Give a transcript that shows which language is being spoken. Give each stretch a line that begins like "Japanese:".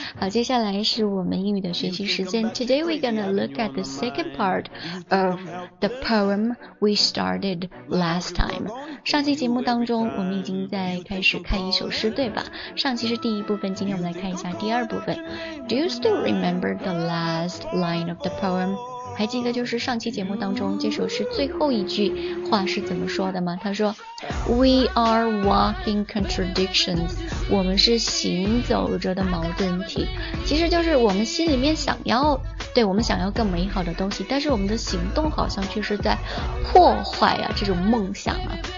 Chinese: 好，接下来是我们英语的学习时间。
English: Today we're gonna look at the second part of the poem we started last time。
Chinese: 上期节目当中我们已经在开始看一首诗，对吧？上期是第一部分，今天我们来看一下第二部分。
English: Do you still remember the last line of the poem?
Chinese: 还记得就是上期节目当中这首诗最后一句话是怎么说的吗？他说
English: We are walking contradictions，
Chinese: 我们是行走着的矛盾体。其实就是我们心里面想要，对，我们想要更美好的东西，但是我们的行动好像却是在破坏啊这种梦想啊。